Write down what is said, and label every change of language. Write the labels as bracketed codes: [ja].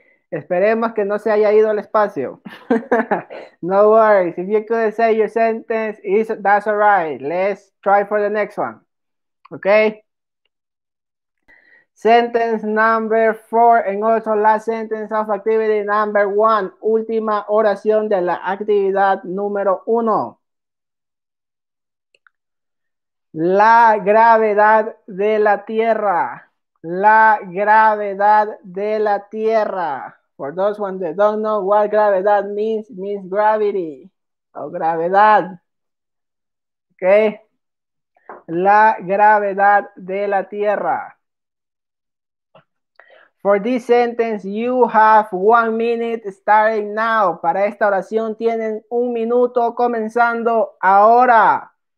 [es] Esperemos que no se haya ido al espacio. [en] No worries. If you could say your sentence, that's all right. Let's try for the next one. Okay? Sentence number four, and also last sentence of activity number one, [es] última oración de la actividad número uno. La gravedad de la Tierra. La gravedad de la Tierra. [en] For those ones that don't know what gravedad means, it means gravity or gravedad. Okay? [es] La gravedad de la Tierra. [en] For this sentence, you have 1 minute starting now. [es] Para esta oración tienen un minuto comenzando ahora.